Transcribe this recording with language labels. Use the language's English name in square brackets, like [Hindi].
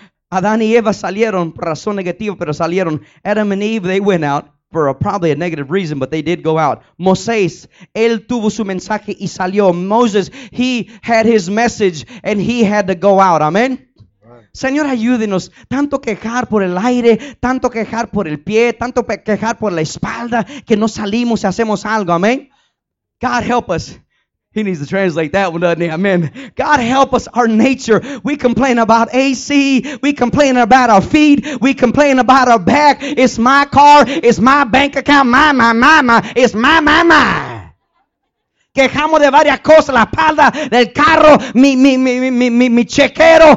[Spanish] Adán y Eva salieron por razón negativa, pero salieron. [English] Adam and Eve, they went out for probably a negative reason, but they did go out. Moses, [Spanish] él tuvo su mensaje y salió. [English] Moses, he had his message and he had to go out. Amen. [Spanish] Señor, ayúdenos. Tanto quejar por el aire, tanto quejar por el pie, tanto quejar por la espalda, que no salimos y hacemos algo. Amén. [English] God help us. He needs to translate that one, doesn't he? Amen. God help us, our nature. We complain about AC. We complain about our feet. We complain about our back. It's my car. It's my bank account. My. It's my. [Spanish] Quejamos de varias cosas. La espalda del carro. Mi chequero.